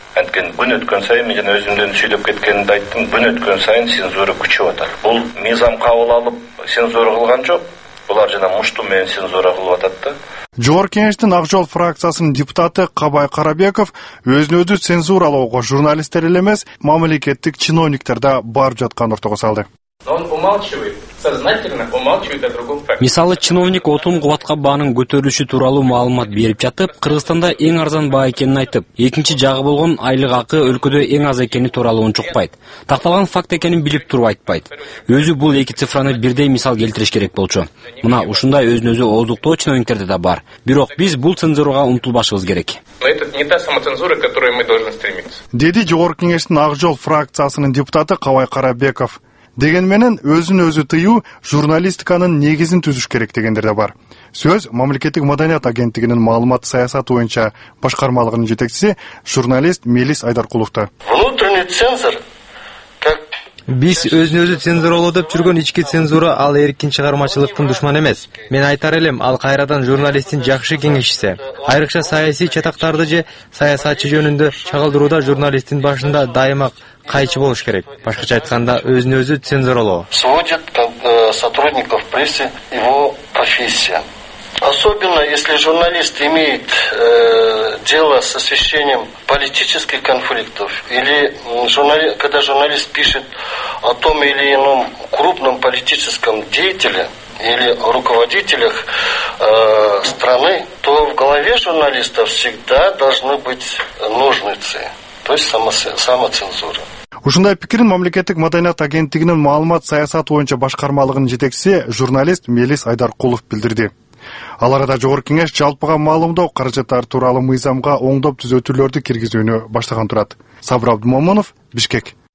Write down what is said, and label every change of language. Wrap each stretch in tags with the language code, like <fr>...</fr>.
<ky>Анткени күн өткөн сайын мен жана өзүмдөн сүйлөп кеткенимди айттым, күн өткөн сайын цензура күчөп атат. Бул мыйзам кабыл алып цензура кылган жок, булар жана муштум менен цензура кылып атат да. Жогорку Кеңештин Ак Жол фракциясынын депутаты Кабай Карабеков өзүн өзү цензуралоого журналисттер эле эмес, мамлекеттик чиновниктер да барып жаткан ортого салды.</ky> <ru>Он умалчивает, сознательно умалчивает о другом факте.</ru> <ky>Мисалы, чиновник отун кубатка баанын көтөрүлүшү тууралуу маалымат берип жатып, Кыргызстанда эң арзан баа экенин айтып, экинчи жагы болгон айлык акы өлкөдө эң аз экени тууралуу унчукпайт. Такталган факт экенин билип туруп айтпайт. Өзү бул эки цифраны бирдей мисал келтириш керек болчу. Мына ушундай өзүн өзү ооздуктоо чиновниктерде да бар. Бирок биз бул цензурага умтулбашыбыз керек. Деди Жогорку Кеңештин Ак Жол фракциясынын депутаты Кабай Карабеков. Деген менен өзүн өзү тыюу журналистиканын негизин түзүш керек дегендер да бар. Сөз мамлекеттик маданият агенттигинин маалымат саясаты боюнча башкармалыгынын жетекчиси журналист Мелис Айдаркуловту.</ky> <ru>Внутренний цензор как</ru> <ky>биз өзүн өзү цензуралоо деп жүргөн ички цензура ал эркин чыгармачылыктын душманы эмес. Мен айтар элем, ал кайрадан журналисттин жакшы кеңешчиси. Айрыкча саясий чатактарды же саясатчы жөнүндө чагылдырууда журналисттин башында дайыма кайчы болуш керек. Башкача айтканда өзүн өзү цензуралоо.</ky> <ru>Сводит сотрудников прессы его профессия. Особенно если журналист имеет дело с освещением политических конфликтов или когда журналист пишет о том или ином крупном политическом деятеле или руководителях страны, то в голове журналиста всегда должны быть ножницы, то есть самоцензура.</ru> <ky>Ушундай пикирин мамлекеттик маданият агенттигинин маалымат саясаты боюнча башкармалыгынын жетекчиси журналист Мелис Айдаркулов билдирди. Ал арада Жогорку Кеңеш жалпыга маалымдоо каражаттары тууралуу мыйзамга оңдоп түзөтүүлөрдү киргизүүнү баштаган турат. Сабыр Абдымаманов, Бишкек.</ky>